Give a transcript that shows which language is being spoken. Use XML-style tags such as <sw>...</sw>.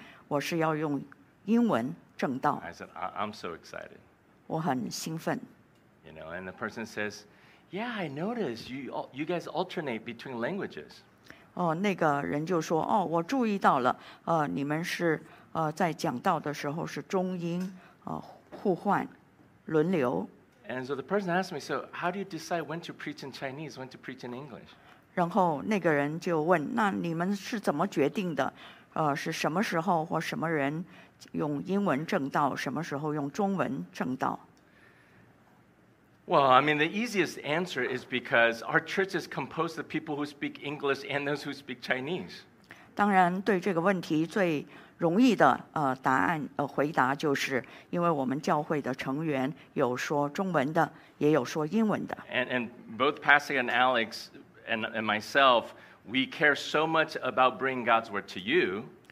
<zh>那我就对他们说，下个礼拜我是要用英文证道。</zh> <en>I said, I'm so excited.</en> <zh>我很兴奋。</zh> <en>You know, and the person says, yeah, I noticed you guys alternate between languages.</en> <zh>那个人就说，我注意到了，你们是 在讲道的时候是中英互换轮流。</zh> <en>And so the person asked me, so how do you decide when to preach in Chinese, when to preach in English?</en> <zh>然后那个人就问，那你们是怎么决定的？是什么时候或什么人用英文证道，什么时候用中文证道？</zh> <en>Well, I mean, the easiest answer is because our church is composed of people who speak English and those who speak Chinese.</en> <zh>当然对这个问题最 容易的答案回答就是，因为我们教会的成员有说中文的，也有说英文的。</zh> <en>And both Pastor and Alex and myself, we care so much about bringing God's word to you.</en>